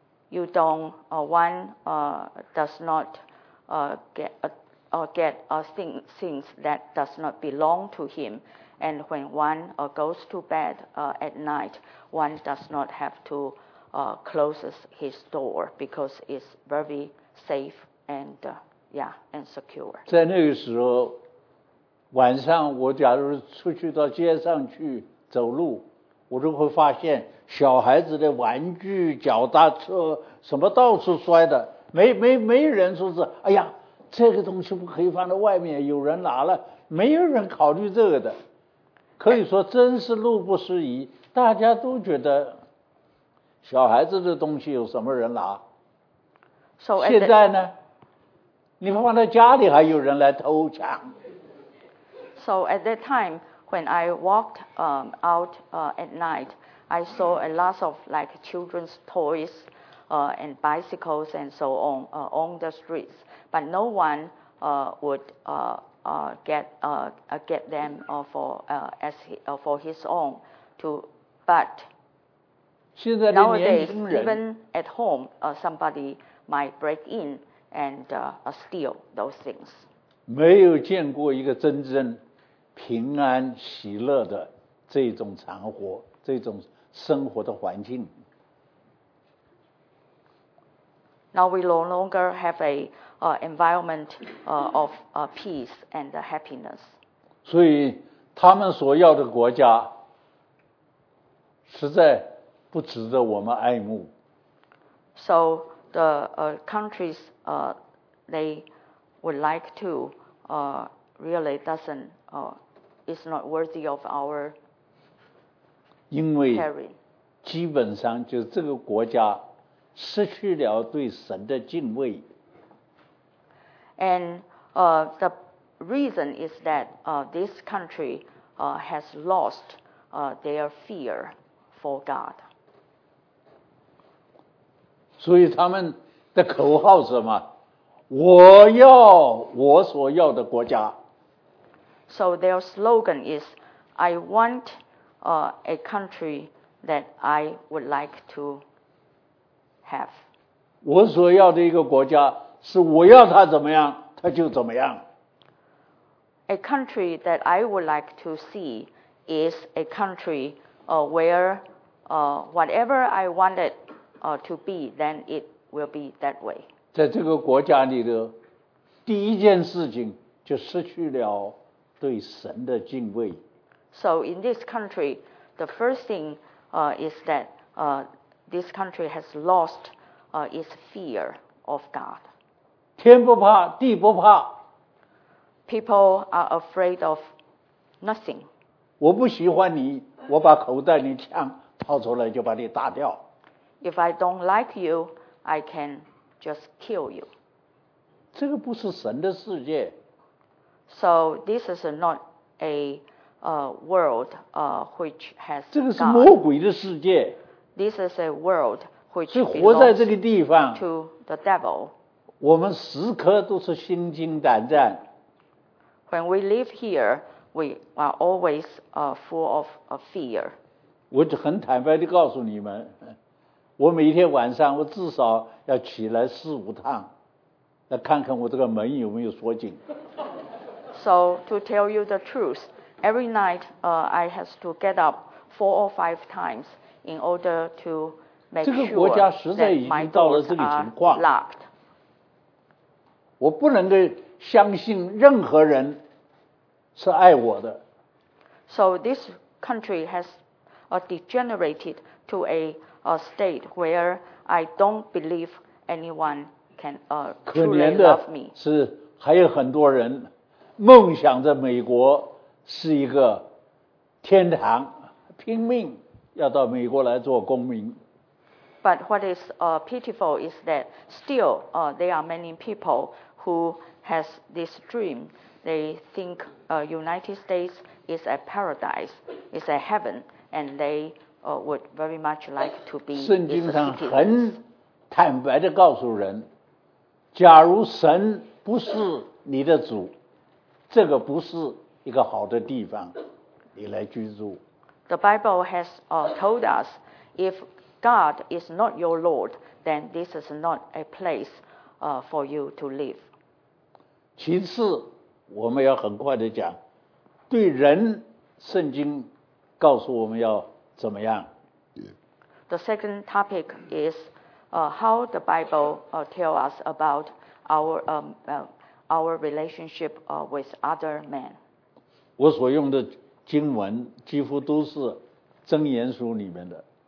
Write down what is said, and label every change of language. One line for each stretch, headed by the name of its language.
English: You don't, one does not get things that does not belong to him. And when one goes to bed at night, one does not have to close his door because it's very safe and secure.
Chinese: 在那个时候，晚上我假如出去到街上去走路，我就会发现小孩子的玩具、脚踏车什么到处摔的，没人说是哎呀，这个东西不可以放在外面，有人拿了，没有人考虑这个的。可以说真是路不拾遗，大家都觉得小孩子的东西有什么人拿？
English: So、
Chinese: 现在呢，你放在家里还有人来偷抢。
English: So at that time, when I walked out at night, I saw a lot of like children's toys and bicycles and so on the streets. But no one would get them for his own. But nowadays, even at home, somebody might break in and steal those things.
Chinese: 没有见过一个真正平安喜乐的这种场合，这种生活的环境。
English: Now we no longer have a environment of peace and happiness.
Chinese: 所以他们所要的国家实在不值得我们爱慕。
English: So the countries they would like to really doesn't is not worthy of our caring.
Chinese: 因为基本上就这个国家失去了对神的敬畏。
English: And the reason is that this country has lost their fear for God.
Chinese: 所以他们的口号是什么？我要我所要的国家。
English: So their slogan is, I want a country that I would like to have.
Chinese: 我所要的一个国家是我要它怎么样，它就怎么样。
English: A country that I would like to see is a country where whatever I want it to be, then it will be that way.
Chinese: 在这个国家里的第一件事情就失去了对神的敬畏。
English: So in this country, the first thing is that this country has lost its fear of God.
Chinese: 天不怕，地不怕。
English: People are afraid of nothing.
Chinese: 我不喜欢你，我把口袋里枪掏出来就把你打掉。
English: If I don't like you, I can just kill you.
Chinese: 这个不是神的世界。
English: So this is not a world which has God.
Chinese: 这个是魔鬼的世界。
English: This is a world which belongs
Chinese: 活在这个地方
English: to the devil.
Chinese: 我们时刻都是心惊胆战。
English: When we live here, we are always full of fear.
Chinese: 我就很坦白地告诉你们，我每天晚上我至少要起来四五趟，来看看我这个门有没有锁紧。
English: So to tell you the truth, every night I has to get up four or five times in order to make sure that my doors are locked.
Chinese: 这个国家实在已经到了这个情况，我不能够相信任何人是爱我的。
English: So this country has degenerated to a state where I don't believe anyone can truly love me.
Chinese: 是还有很多人梦想着美国是一个天堂，拼命要到美国来做公民。
English: But what is pitiful is that still there are many people who has this dream. They think United States is a paradise, is a heaven, and they would very much like to be.
Chinese: 圣经上很坦白地告诉人，假如神不是你的主，这个不是一个好的地方，你来居住。
English: The Bible has told us, if God is not your Lord, then this is not a place for you to live.
Chinese: 其次，我们要很快地讲，对人，圣经告诉我们要怎么样。
English: The second topic is how the Bible tell us about our relationship with other men.
Chinese: 我所用的经文几乎都是箴言书里面的。